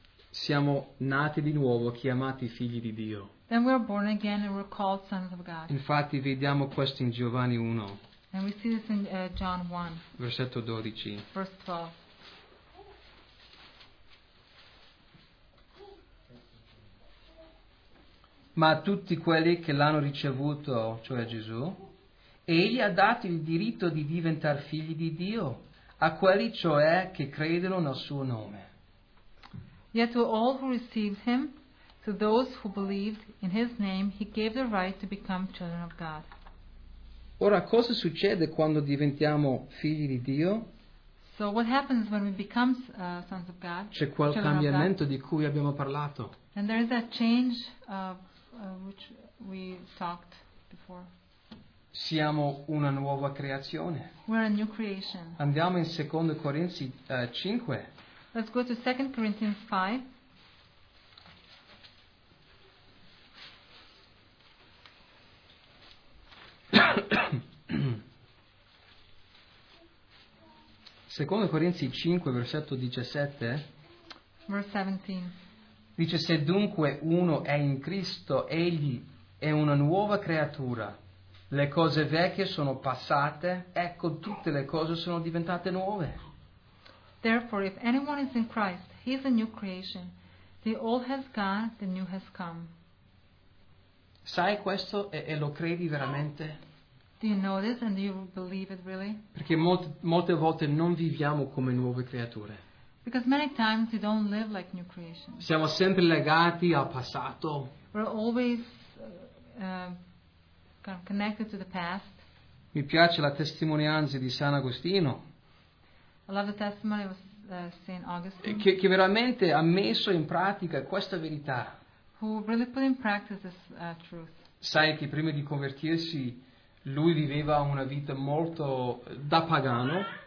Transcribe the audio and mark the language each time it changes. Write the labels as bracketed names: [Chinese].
[Italian] siamo nati di nuovo, chiamati figli di Dio. [English] Then we are born again and we're called sons of God. [Italian] Infatti vediamo questo in Giovanni 1. [English] And we see this in John 1. [Italian] Versetto 12. [English] Verse 12. [Italian] Ma a tutti quelli che l'hanno ricevuto, cioè a Gesù, egli ha dato il diritto di diventare figli di Dio, a quelli cioè che credono nel suo nome. [English] Yet to all who received him, to those who believed in his name, he gave the right to become children of God. [Italian] Ora, cosa succede quando diventiamo figli di Dio? [English] So what happens when we become sons of God? [Italian] C'è quel cambiamento di cui abbiamo parlato. [English] And there is that change of which we talked before. [Italian] Siamo una nuova creazione. [English] We're a new creation. [Italian] Andiamo in Secondo Corinzi 5. [English] Let's go to 2 Corinthians 5. [Italian] Secondo Corinzi 5, versetto 17. [English] Verse 17. [Italian] Dice: se dunque uno è in Cristo, egli è una nuova creatura. Le cose vecchie sono passate, ecco, tutte le cose sono diventate nuove. [English] Therefore, if anyone is in Christ, he is a new creation. The old has gone, the new has come. [Italian] Sai questo e lo credi veramente? [English] Do you know this and do you believe it really? [Italian] Perché molte volte non viviamo come nuove creature. [English] Because many times we don't live like new creations. [Italian] Siamo sempre legati al passato. [English] We're always kind of connected to the past. [Italian] Mi piace la testimonianza di San Agostino. [English] I love the testimony of Saint Augustine. [Italian] Che veramente ha messo in pratica questa verità. [English] Who really put in practice this truth. [Italian] Sai che prima di convertirsi lui viveva una vita molto da pagano.